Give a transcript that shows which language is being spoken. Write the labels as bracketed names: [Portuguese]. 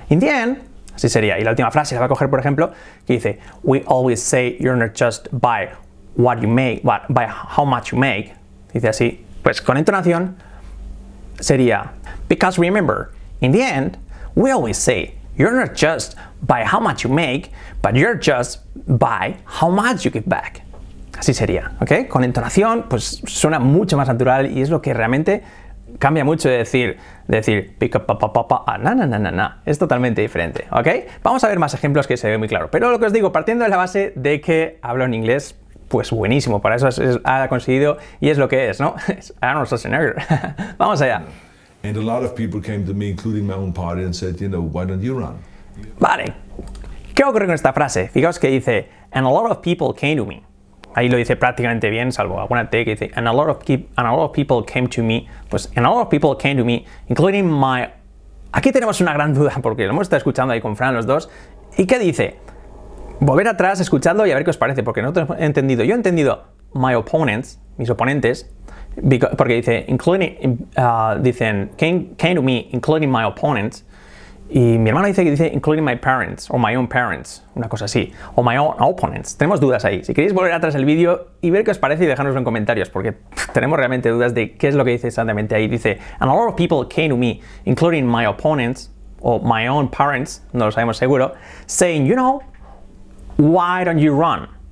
[English] In the end, [Spanish] así sería. Y la última frase la va a coger, por ejemplo, que dice, [English] we always say you're not just by what you make, but by how much you make. [Spanish] Dice así, pues con entonación sería, [English] because remember, in the end, we always say you're not just by how much you make, but you're just by how much you give back. [Spanish] Así sería, ¿ok? Con entonación, pues suena mucho más natural y es lo que realmente cambia mucho de decir pick up, pa, pa, pa, a na, na, na, na, na. Es totalmente diferente, ¿ok? Vamos a ver más ejemplos que se ve muy claro. Pero lo que os digo, partiendo de la base de que hablo en inglés, pues buenísimo, para eso ha conseguido y es lo que es, ¿no? Es Arnold Schwarzenegger. Vamos allá. [English] And a lot of people came to me, including my own party, and said, you know, why don't you run? [Spanish] Vale. ¿Qué ocurre con esta frase? Fijaos que dice, [English] and a lot of people came to me. [Spanish] Ahí lo dice prácticamente bien, salvo alguna T que dice, [English] and a lot of people came to me. Pues, and a lot of people came to me, including my... [Spanish] Aquí tenemos una gran duda, porque lo hemos estado escuchando ahí con Fran los dos. ¿Y qué dice? Volver atrás, escuchando y a ver qué os parece, porque nosotros hemos entendido. Yo he entendido [English] my opponents, [Spanish] mis oponentes, porque dice, including, dicen, [English] came to me, including my opponents. [Spanish] Y mi hermano dice que dice, [English] including my parents, [Spanish] o [English] my own parents, [Spanish] una cosa así, o [English] my own opponents. [Spanish] Tenemos dudas ahí. Si queréis volver atrás el vídeo y ver qué os parece y dejárnoslo en comentarios, porque tenemos realmente dudas de qué es lo que dice exactamente ahí. Dice, [English] and a lot of people came to me, including my opponents, o my own parents, [Spanish] no lo sabemos seguro, [English] saying, you know, why don't you run?